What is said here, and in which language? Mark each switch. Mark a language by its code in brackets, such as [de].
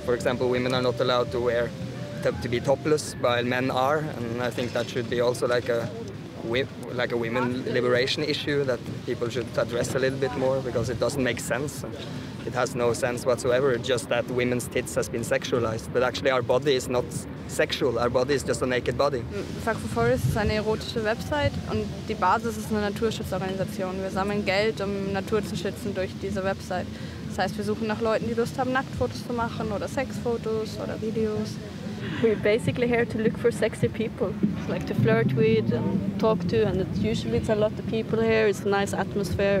[en] For example, women are not allowed to wear, to be topless, while men are, and I think that should be also like a like a women liberation issue that people should address a little bit more, because it doesn't make sense. It has no sense whatsoever, just that women's tits has been sexualized. But actually our body is not sexual, our body is just a naked body. [de] Fuck for Forest ist eine erotische Website und die Basis ist eine Naturschutzorganisation. Wir sammeln Geld, um Natur zu schützen durch diese Website. Das heißt, wir suchen nach Leuten, die Lust haben, Nacktfotos zu machen oder Sexfotos oder Videos. [en] We're basically here to look for sexy people, like to flirt with and talk to, and it usually it's a lot of people here, it's a nice atmosphere.